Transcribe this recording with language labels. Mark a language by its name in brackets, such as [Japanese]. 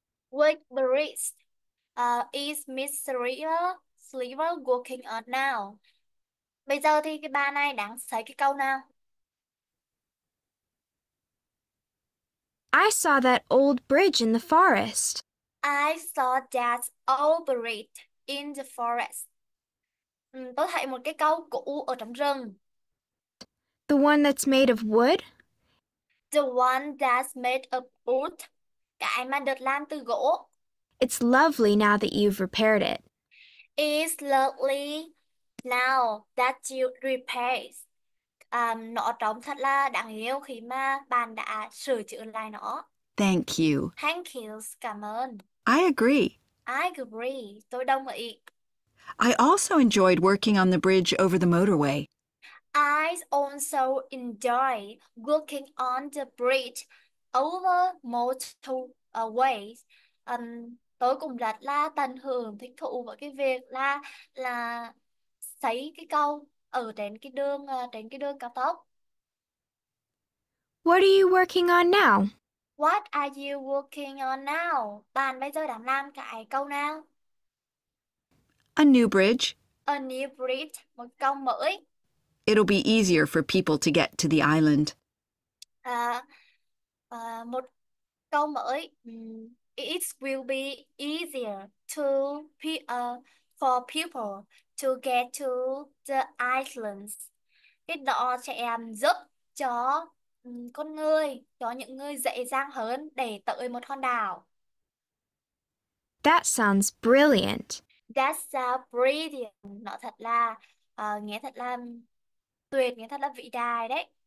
[English] What bridge is Miss Silver working on now? [Vietnamese] Bây giờ thì cái bạn này đang xây cái câu nào? [English] I saw that old bridge in the forest. I saw that old bridge in the forest. [Vietnamese] Tôi thấy một cái cầu cũ ở trong rừng. [English] The one that's made of wood? The one that's made of wood. [Vietnamese] Cái mà được làm từ gỗ. [English] It's lovely now that you've repaired it. It's lovely now that you repair. [Vietnamese] Nó trông thật là đáng yêu khi mà bạn đã sửa chữa lại nó. [English] Thank you. Thank you. [Vietnamese] Cảm ơn. [English] I agree. I agree. [Vietnamese] Tôi đồng ý. [English] I also enjoyed working on the bridge over the motorway. I also enjoy working on the bridge over motorway. [Vietnamese] Tôi cũng rất là tận hưởng thích thú với cái việc là xây cái cầu ở trên cái đường cao tốc. [English] What are you working on now? What are you working on now? [Vietnamese] Bạn bây giờ đang làm cái cầu nào? [English] A new bridge. A new bridge, [Vietnamese] một cầu mới. [English] It'll be easier for people to get to the island. [Vietnamese] Một cầu mới. [English] It will be easier to be for people to get to the islands. [Vietnamese] Cái đó sẽ giúp cho con người, cho những người dễ dàng hơn để tới một hòn đảo. [English] That sounds brilliant. That's so brilliant. [Vietnamese] Nó thật là nghe thật là tuyệt, nghe thật là vĩ đại đấy.